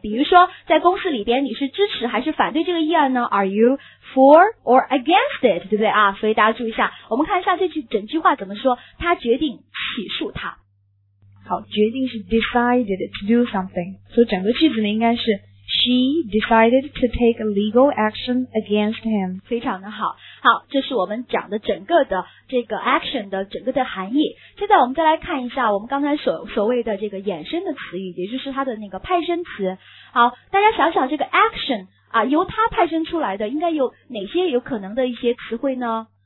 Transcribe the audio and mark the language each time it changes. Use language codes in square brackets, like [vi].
[zh] 比如说在公司里边，你是支持还是反对这个议案呢 ？ [en] Are you for or against it？ [zh] 对不对啊？所以大家注意一下，我们看一下这句整句话怎么说。他决定起诉他。好，决定是 [en] decided to do something， [zh] 所以整个句子呢应该是。 [en] She decided to take a legal action against him. [zh] 非常的好，好，这是我们讲的整个的这个 action 的整个的含义。现在我们再来看一下我们刚才所谓的这个衍生的词语，也就是它的那个派生词。好，大家想想这个 action 啊，由它派生出来的应该有哪些有可能的一些词汇呢？